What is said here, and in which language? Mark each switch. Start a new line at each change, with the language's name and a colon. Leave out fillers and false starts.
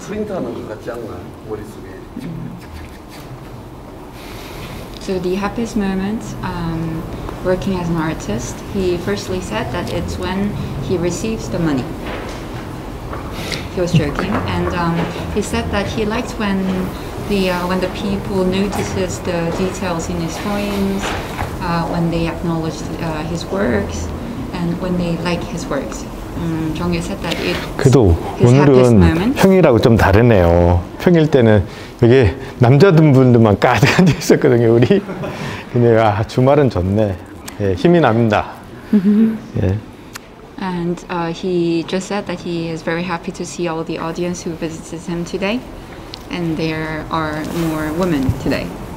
Korean: 프린트하는 것 같지 않나 머릿속에.
English: So the happiest moment working as an artist, he firstly said that it's when he receives the money. He was joking, and he said that he liked when the people notices the details in his poems, when they acknowledge his works, and when they like his works. 정유 said that it.
Korean: 그래도 오늘은 평일하고 좀 다르네요. 평일 때는 여기 남자든 분들만 가득 앉아 있었거든요. 우리 근데 아 주말은 좋네. 예, 힘이 납니다. 예.
English: And he just said that he is very happy to see all the audience who visits him today, and there are more women today.